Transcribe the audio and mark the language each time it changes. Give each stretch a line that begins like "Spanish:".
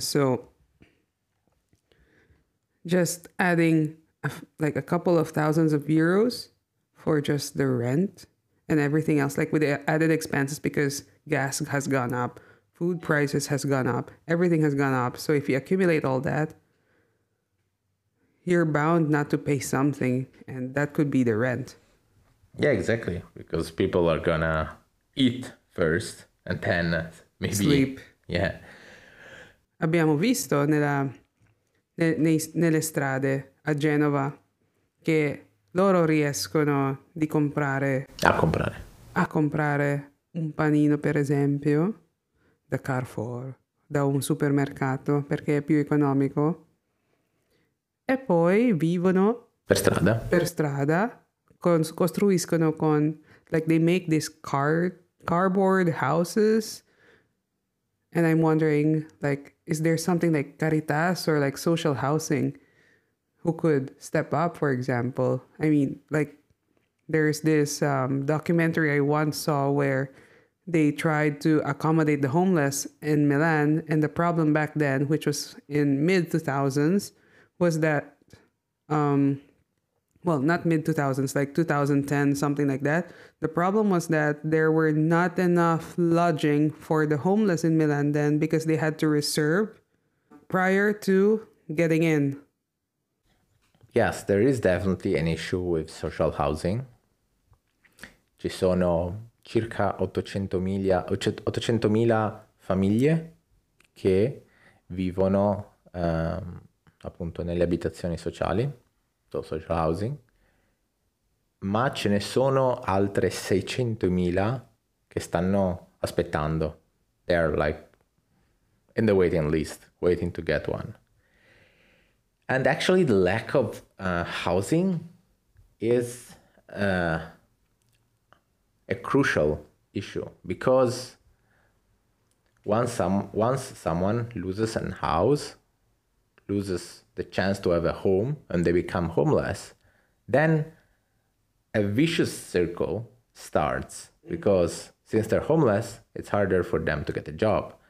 English: So just adding like a couple of thousands of euros for just the rent and everything else, like with the added expenses because gas has gone up, food prices has gone up, everything has gone up. So if you accumulate all that, you're bound not to pay something, and that could be the rent. Yeah, exactly. Because people are gonna eat first and then maybe sleep. Yeah.
Italian: Abbiamo visto nelle strade a Genova che loro riescono di comprare a comprare un panino, per esempio, da Carrefour, da un supermercato, perché è più economico. E poi vivono per strada, costruiscono con,
English: like, they make these cardboard houses. And I'm wondering, like, is there something like Caritas or like social housing who could step up, for example? I mean, like, there's this documentary I once saw where they tried to accommodate the homeless in Milan. And the problem back then, which was in mid-2000s, was that, well, not mid-2000s, like 2010, something like that. The problem was that there were not enough lodging for the homeless in Milan then because they had to reserve prior to getting in. Yes, there is definitely an issue with social housing.
Italian: Ci sono circa 800.000 famiglie che vivono appunto nelle abitazioni sociali,
English: so social housing,
Italian: ma ce ne sono altre 600.000 che stanno aspettando.
English: They are like in the waiting list, waiting to get one. And actually the lack of housing is a crucial issue, because once someone loses a house, loses the chance to have a home, and they become homeless, then a vicious circle starts, because since they're homeless, it's harder for them to get a job.